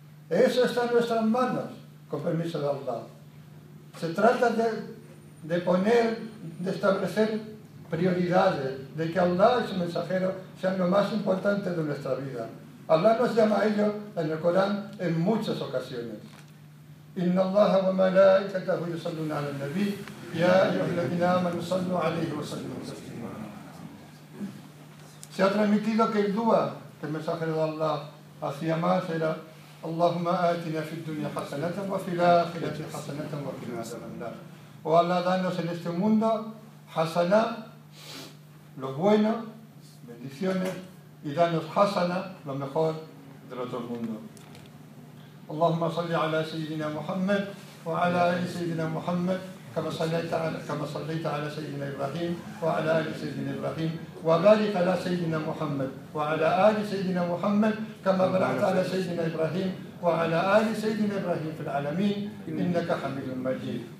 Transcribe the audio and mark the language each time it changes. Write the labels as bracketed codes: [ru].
[es] Eso está en nuestras manos, con permiso de Allah. Se trata de establecer prioridades, de que Allah y su mensajero sean lo más importante de nuestra vida. Allah nos llama a ello en el Corán en muchas ocasiones. [ar] إن الله وملائكته يصلون على النبي يا أيها الذين آمنوا صلوا عليه وسلموا تسليما. [es] Se ha transmitido que el dua que el mensajero de Allah hacía más era [ar] اللهم آتنا في الدنيا حسنة وفي الآخرة حسنة وقنا عذاب النار. [es] O Allah, danos en este mundo hasana, lo bueno, bendiciones, y danos hasana, lo mejor del otro mundo. [ar] اللهم صل على سيدنا محمد وعلى آل سيدنا محمد كما صليت على سيدنا إبراهيم وعلى آل سيدنا إبراهيم وبارك على سيدنا محمد وعلى آل سيدنا محمد كما باركت على سيدنا إبراهيم وعلى آل سيدنا إبراهيم في العالمين إنك حميد مجيد.